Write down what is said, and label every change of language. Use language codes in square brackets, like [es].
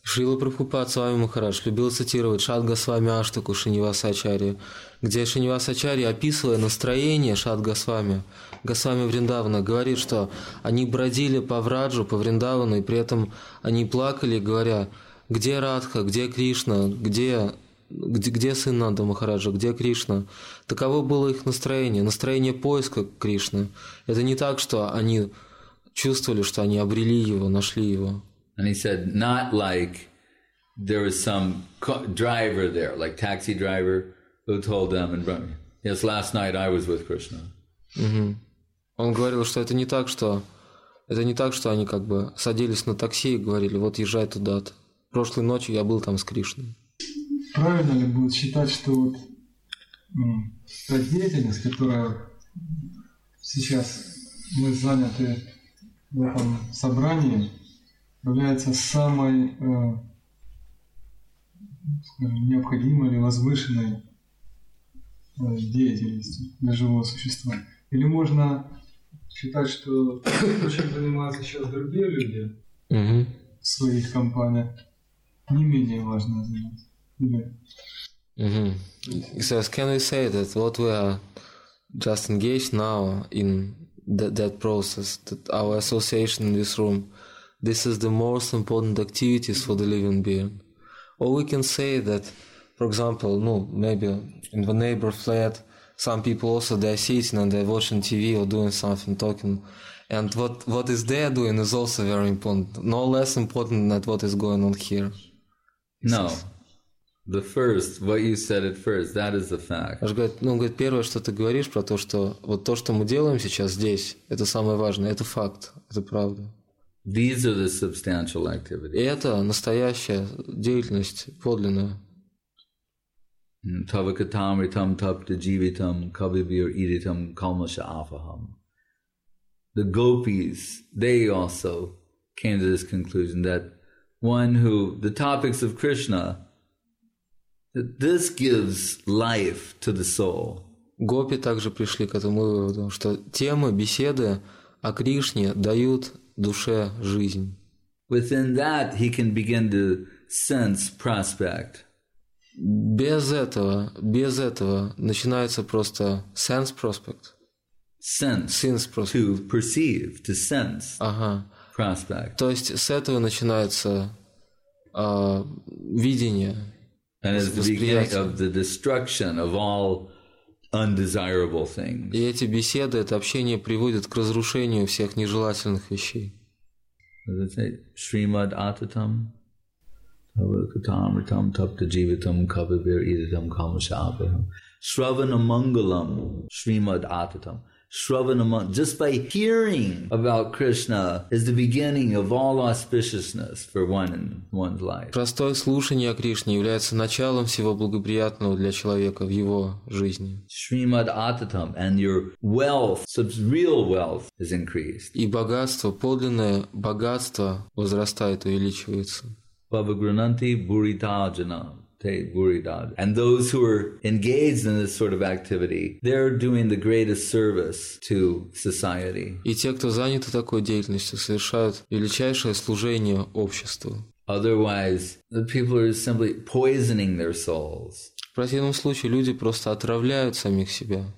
[ru] Шрила Прабхупад Свами Махарадж любил цитировать Шад Госвами Аштаку Шринивас Ачарья, где Шринивас Ачарья, описывая настроение Шад Госвами, Госвами Вриндавана, говорит, что они бродили по Враджу, по Вриндавану, и при этом они плакали, говоря, где Радха, где Кришна, где сын Нанда Махараджа, где Кришна. Таково было их настроение, настроение поиска Кришны. Это не так, что они чувствовали, что они обрели его, нашли его. [en] And he said, not like there was some driver there, like taxi driver, who told them in Brahmi. Yes, last night I was with Krishna. Mm-hmm. [ru] Он говорил, что это не так, что это не так, что они как бы садились на такси и говорили, вот езжай туда-то. Прошлой ночью я был там с Кришной. Правильно ли будет считать, что вот та деятельность, которая сейчас мы заняты в этом собрании, является самой необходимой или возвышенной деятельностью для живого существа? Или можно считать, что чем занимаются сейчас другие люди в своих компаниях, не менее важно заниматься? Mm-hmm. [en] He says, can we say that what we are just engaged now in that process, that our association in this room, this is the most important activities for the living being? Or we can say that, for example, maybe in the neighbor flat, some people also, they're sitting and they're watching TV or doing something, talking. And what is they are doing is also very important, no less important than what is going on here. No. The first, what you said at first, that is the fact. [ru] Он говорит, первое, что ты говоришь про то, что вот то, что мы делаем сейчас здесь, это самое важное, это факт, это правда. [en] These are the substantial activities. [ru] И это настоящая деятельность, подлинная. [sa] Tavakatamritam taptajivitam kavibir iditam kalmasha afaham. [en] The gopis, they also came to this conclusion that one who, the topics of Krishna, that this gives life to the soul. [ru] Гопи также пришли к этому выводу, что темы беседы о Кришне дают душе жизнь. [en] Within that, he can begin to sense prospect. [ru] Без этого начинается просто [en] sense prospect. Sense prospect. To perceive, to sense. Ага. Prospect. [ru] То есть с этого начинается видение. [en] And it's the beginning of the destruction of all undesirable things. [ru] И эти беседы, это общение приводит к разрушению всех нежелательных вещей. [en] What does it say? [sa] Shrimad Atatam? Tavakatam ritam tapta jivitam kavibir iditam kamashabaham. Shravanamangalam Shrimad Atatam. [en] Just by hearing about Krishna is the beginning of all auspiciousness for one in one's life. [ru] Простое слушание о Кришне является началом всего благоприятного для человека в его жизни. [sa] Shrimad Atatam, [en] and your wealth, real wealth, is increased. [ru] И богатство, подлинное богатство, возрастает, увеличивается. [sa] Bhavagrananti Buridajana. [en] And those who are engaged in this sort of activity, they're doing the greatest service to society. [ru] И те, кто заняты такой деятельностью, совершают величайшее служение обществу. Otherwise, the people are simply poisoning their souls. В противном случае люди просто отравляют самих себя.